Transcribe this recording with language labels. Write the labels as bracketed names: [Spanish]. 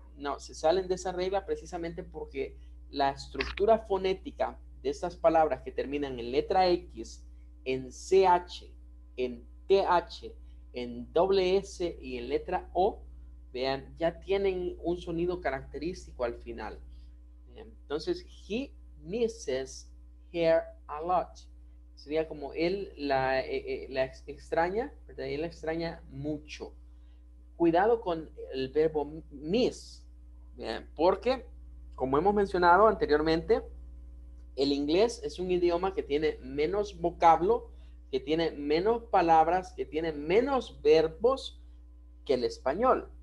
[Spanish] No, se salen de esa regla precisamente porque la estructura fonética de estas palabras que terminan en letra X, en CH, en TH, en doble S y en letra O, vean, ya tienen un sonido característico al final. Entonces, [English] he misses her a lot. [Spanish] Sería como él la extraña, ¿verdad? Él la extraña mucho. Cuidado con el verbo miss, ¿vean? Porque, como hemos mencionado anteriormente, el inglés es un idioma que tiene menos vocablo, que tiene menos palabras, que tiene menos verbos que el español.